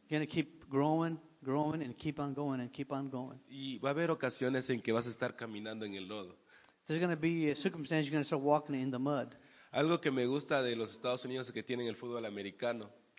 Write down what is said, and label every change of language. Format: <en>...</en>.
<en>You're going to keep growing, growing, and keep on going, and keep on going.</en> <es>Y va a haber ocasiones en que vas a estar caminando en el lodo.</es> <en>There's going to be a circumstance you're going to start walking in the mud.</en> <es>Algo que me gusta de los Estados Unidos es que tienen el fútbol americano.</es>